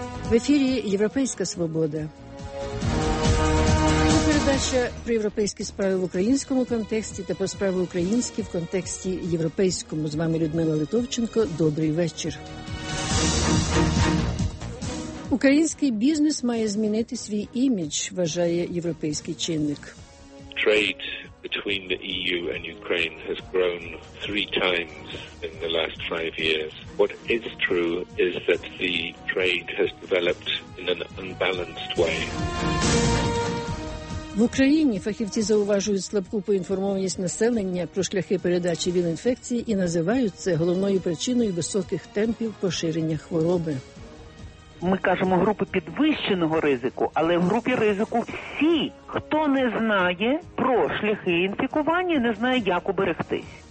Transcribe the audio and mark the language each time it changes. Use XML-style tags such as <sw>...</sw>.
<uk>В ефірі «Європейська свобода». Це передача про європейські справи в українському контексті та про справи українські в контексті європейському. З вами Людмила Литовченко. Добрий вечір. Український бізнес має змінити свій імідж, вважає європейський чинник.</uk> <en>Trade between the EU and Ukraine has grown 3 times in the last 5 years. What is true is that the trade has developed in an unbalanced way.</en> <uk>В Україні фахівці зауважують слабку поінформованість населення про шляхи передачі ВІЛ-інфекції і називають це головною причиною високих темпів поширення хвороби. Ми кажемо групи підвищеного ризику, але в групі ризику всі, хто не знає про шляхи інфікування, не знає, як уберегтись.</uk>